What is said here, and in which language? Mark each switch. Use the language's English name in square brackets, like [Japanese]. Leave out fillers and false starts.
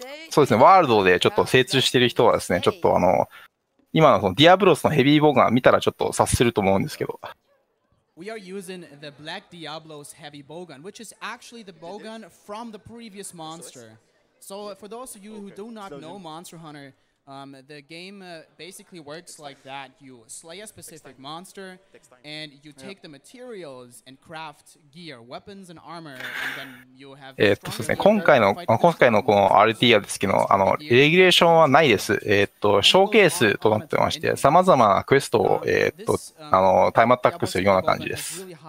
[Japanese] そうですね、ワールドでちょっと精通してる人はですね、ちょっと今のそのディアブロスのヘビーボーガン見たらちょっと察すると思うんですけど。 [English] We are using the Black Diablo's heavy bowgun, which is actually the bowgun from the previous monster. So for those of you who do not know Monster Hunter, the game basically works like that. You slay a specific monster and you take the materials and craft gear, weapons and armor, and then you have. [Japanese] そうですね。今回のこの RTA ですけど、レギュレーションはないです。ショーケースとなってまして、さまざまなクエストを、タイムアタックするような感じです。